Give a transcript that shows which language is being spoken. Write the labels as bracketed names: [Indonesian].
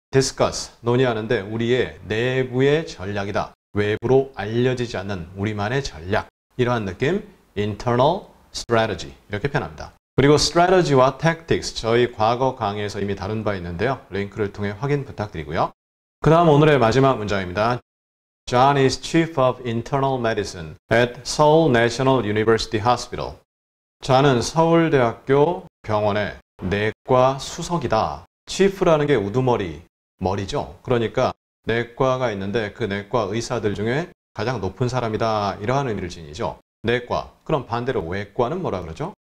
[Korean] discuss, 논의하는데 우리의 내부의 전략이다. 외부로 알려지지 않는 우리만의 전략. 이러한 느낌, internal strategy. 이렇게 표현합니다. 그리고 strategy와 tactics, 저희 과거 강의에서 이미 다룬 바 있는데요. 링크를 통해 확인 부탁드리고요. 그 다음 오늘의 마지막 문장입니다. [English] John is chief of internal medicine at Seoul National University Hospital. [Korean] 저는 서울대학교 병원의 내과 수석이다. Chief라는 게 우두머리, 머리죠. 그러니까 내과가 있는데 그 내과 의사들 중에 가장 높은 사람이다. 이러한 의미를 지니죠. 내과. 그럼 반대로 외과는 뭐라 그러죠?